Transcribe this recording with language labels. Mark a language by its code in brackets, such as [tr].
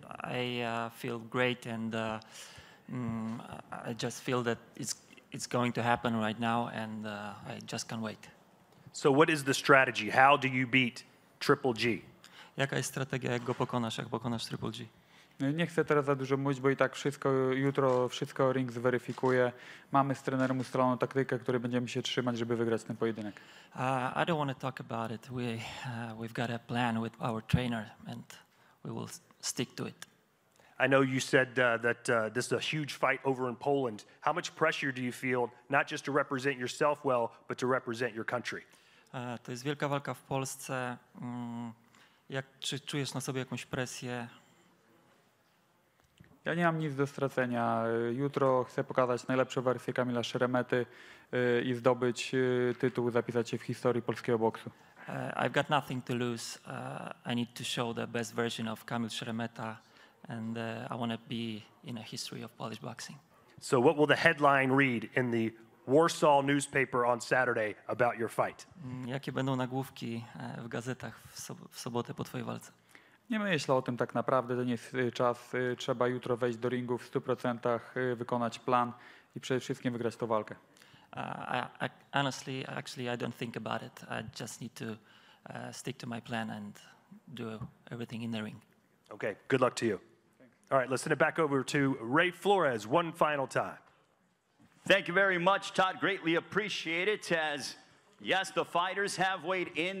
[en] I feel great and I just feel that it's going to happen right now, and I just can't wait. So what is the strategy? How do you beat Triple G? [pl] Jaka jest strategia, jak go pokonasz, jak pokonasz Triple G? Nie chcę teraz za dużo mówić, bo i tak wszystko, jutro wszystko ring zweryfikuje. Mamy z trenerem ustaloną taktykę, której będziemy się trzymać, żeby wygrać ten pojedynek. [en] I don't want to talk about it. We've got a plan with our trainer, and we will stick to it. I know you said this is a huge fight over in Poland. How much pressure do you feel, not just to represent yourself well, but to represent your country? [pl] To jest wielka walka w Polsce. Czy czujesz na sobie jakąś presję? Ja nie mam nic do stracenia. Jutro chcę pokazać najlepszą wersję Kamila Szeremety i zdobyć tytuł, zapisać się w historii polskiego boksu. [en] I've got nothing to lose. I need to show the best version of Kamil Szeremeta. and I want to be in a history of Polish boxing. So what will the headline read in the Warsaw newspaper on Saturday about your fight? [pl] Jakie będą nagłówki w gazetach w sobotę po twojej walce? Nie myślę o tym tak naprawdę, to nie jest czas. Trzeba jutro wejść do ringu w 100%, wykonać plan i przede wszystkim wygrać tę walkę. [en] I don't think about it. I just need to stick to my plan and do everything in the ring. Okay, good luck to you. Thanks. All right, let's send it back over to Ray Flores one final time. Thank you very much, Todd. Greatly appreciate it. As yes, the fighters have weighed in.